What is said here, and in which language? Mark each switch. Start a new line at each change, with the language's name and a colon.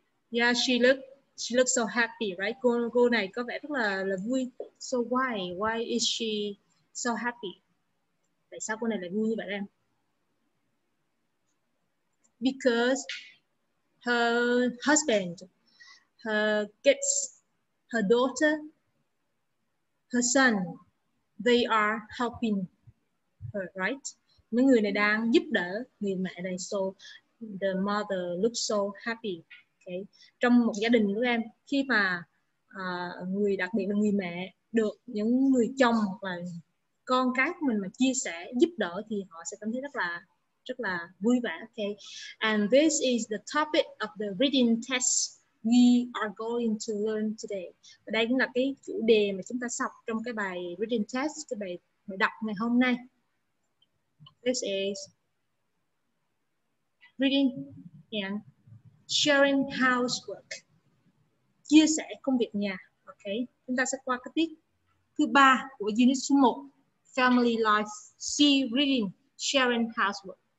English: Yeah, she looks so happy, right?
Vietnamese: Cô này có vẻ rất là vui.
English: So why is she so happy?
Vietnamese: Tại sao cô này lại vui như vậy em?
English: Because her husband, her kids, her daughter, her son, they are helping her, right?
Vietnamese: Mấy người này đang giúp đỡ người mẹ này,
English: so the mother looks so happy.
Vietnamese: Okay. Trong một gia đình của em, khi mà người, đặc biệt là người mẹ, được những người chồng và con cái của mình mà chia sẻ, giúp đỡ, thì họ sẽ cảm thấy rất là vui vẻ.
English: Okay. And this is the topic of the reading test we are going to learn today.
Vietnamese: Và đây cũng là cái chủ đề mà chúng ta học trong cái bài reading test, cái bài đọc ngày hôm nay.
English: This is reading and sharing housework.
Vietnamese: Chia sẻ công việc nhà. Okay. Chúng ta sẽ qua cái tiết thứ 3 của unit số 1, Family Life, C reading, sharing housework.